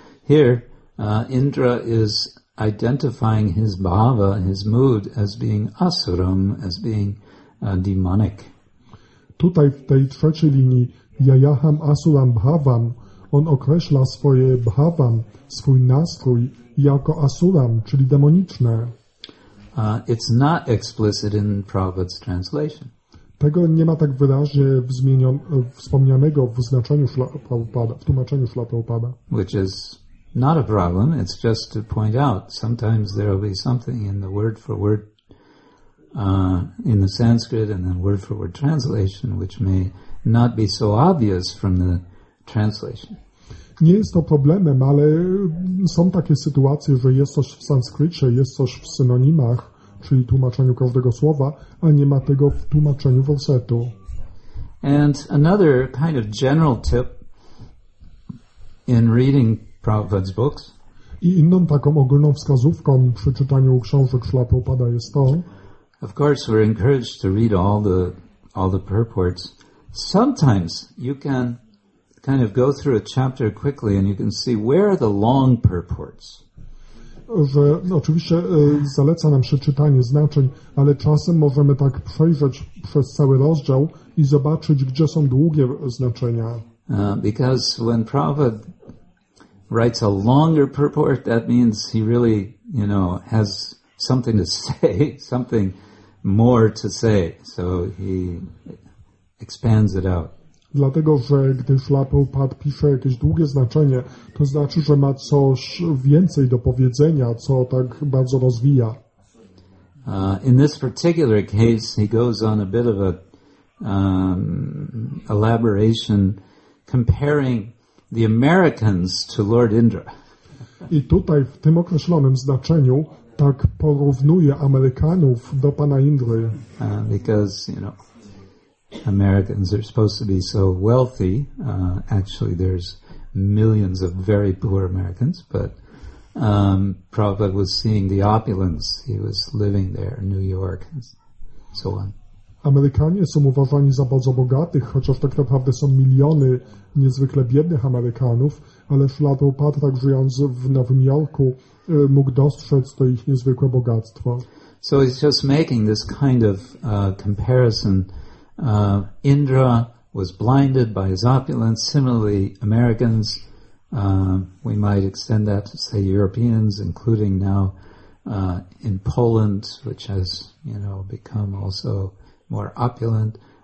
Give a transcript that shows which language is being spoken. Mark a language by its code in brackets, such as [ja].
[en] Here Indra is identifying his bhava, his mood, as being asuram, as being demonic. [pl] Tutaj, w tej trzeciej linii, [sa] yayaham asuram bhavam, [pl] on określa swoje bhavam, swój nastrój, jako asuram, czyli demoniczne. [en] It's not explicit in Prabhupada's translation. [pl] Tego nie ma tak wyraźnie wspomnianego w znaczeniu Prabhupada, w tłumaczeniu Prabhupada. [en] Which is not a problem, it's just to point out, sometimes there will be something in the word for word in the Sanskrit and then word for word translation, which may not be so obvious from the translation. [pl] Nie jest to problemem, ale są takie sytuacje, że jest coś w sanskrycie, jest coś w synonimach, czyli tłumaczeniu każdego słowa, a nie ma tego w tłumaczeniu wersetu. [en] And another kind of general tip in reading Prabhupada's books. [pl] I inną taką ogólną wskazówką przy czytaniu książek Szlapy Upada jest to. [en] Of course, we're encouraged to read all the purports. Sometimes you can kind of go through a chapter quickly and you can see where are the long purports. [pl] Że, no, oczywiście zaleca nam przeczytanie znaczeń, ale czasem możemy tak przejrzeć przez cały rozdział i zobaczyć, gdzie są długie znaczenia. [en] Because when Prabhupada writes a longer purport, that means he really, you know, has something to say, something more to say, so he expands it out. [pl] Dlatego, że gdy Szlapa Upada pisze jakieś długie znaczenie, to znaczy, że ma coś więcej do powiedzenia, co tak bardzo rozwija. [en] In this particular case, he goes on a bit of a elaboration comparing the Americans to Lord Indra. [pl] I tutaj w tym określonym znaczeniu tak porównuje Amerykanów do pana Indry. [en] Because, you know, Americans are supposed to be so wealthy. Actually, there's millions of very poor Americans, but Prabhupada was seeing the opulence. He was living there in New York and so on. [pl] Amerykanie są uważani za bardzo bogatych, chociaż tak naprawdę są miliony niezwykle biednych Amerykanów, ale Szlapa Upada, tak żyjąc w Nowym Jorku, mógł dostrzec to ich niezwykłe bogactwo. [en] So he's just making this kind of comparison. Indra was blinded by his opulence. Similarly, Americans, we might extend that to say Europeans, including now in Poland, which has, you know, become also more opulent.